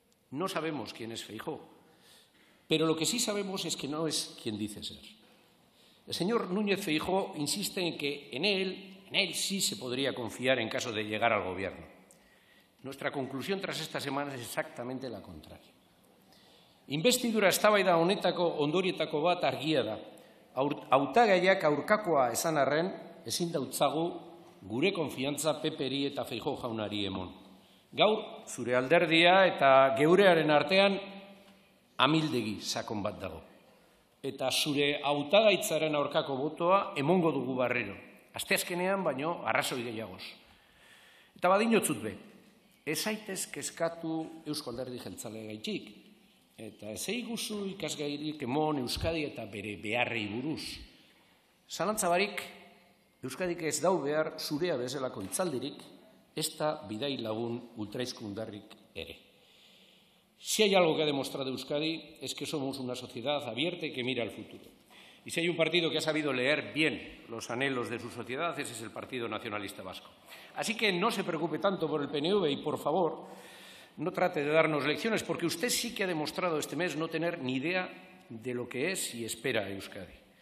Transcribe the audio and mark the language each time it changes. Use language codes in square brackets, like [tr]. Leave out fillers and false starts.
[es] No sabemos quién es Feijóo, pero lo que sí sabemos es que no es quien dice ser. El señor Núñez Feijóo insiste en que en él sí se podría confiar en caso de llegar al gobierno. Nuestra conclusión tras esta semana es exactamente la contraria. [eu] Investidura eztabaida honetako ondorietako bat argia da. Hautagaiak aurkakoa esan arren, ezin dautzagu gure konfiantza Peperi eta Feijóo jaunari emon. Gaur, zure alderdia eta geurearen artean, amildegi sakon bat dago. Eta zure hautagaitzaren aurkako botoa emongo dugu barrero. Asteazkenean, baino, arrazoi gehiagoz. Eta badinotzut be, ez zaitez kezkatu Eusko Alderdi Jeltzaleagatik. Eta ezeiguzu ikasgairik emon Euskadi eta bere beharrei buruz. Zalantza barik, Euskadik ez dau behar zurea bezalako itzaldirik, ez da bidai lagun ultraizkundarrik ere. [es] Si hay algo que ha demostrado Euskadi es que somos una sociedad abierta y que mira al futuro. Y si hay un partido que ha sabido leer bien los anhelos de su sociedad, ese es el Partido Nacionalista Vasco. Así que no se preocupe tanto por el PNV y, por favor, no trate de darnos lecciones, porque usted sí que ha demostrado este mes no tener ni idea de lo que es y espera a Euskadi.